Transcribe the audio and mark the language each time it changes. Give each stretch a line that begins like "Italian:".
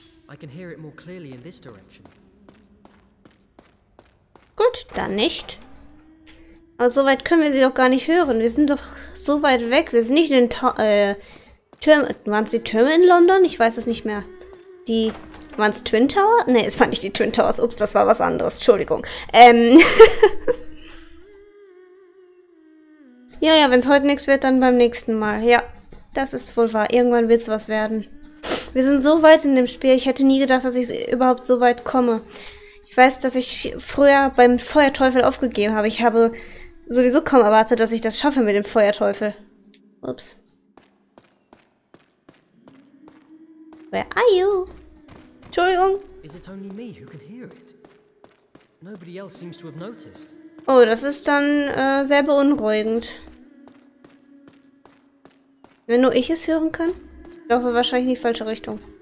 English: I can hear it more clearly in this direction.
German: Gut, dann nicht. Aber so weit können wir sie doch gar nicht hören. Wir sind doch so weit weg. Wir sind nicht in den Türmen. Waren es die Türme in London? Ich weiß es nicht mehr. Die. Waren es Twin Tower? Ne, es fand ich die Twin Towers. Ups, das war was anderes. Entschuldigung. Ja, wenn es heute nichts wird, dann beim nächsten Mal. Ja, das ist wohl wahr. Irgendwann wird es was werden. Wir sind so weit in dem Spiel, ich hätte nie gedacht, dass ich überhaupt so weit komme. Ich weiß, dass ich früher beim Feuerteufel aufgegeben habe. Ich habe sowieso kaum erwartet, dass ich das schaffe mit dem Feuerteufel. Ups.
English: Where are you?
German: Entschuldigung.
English: Is it only me who can hear it? Nobody else seems to have noticed.
German: Oh, das ist dann sehr beunruhigend. Wenn nur ich es hören kann? Ich laufe wahrscheinlich in die falsche Richtung.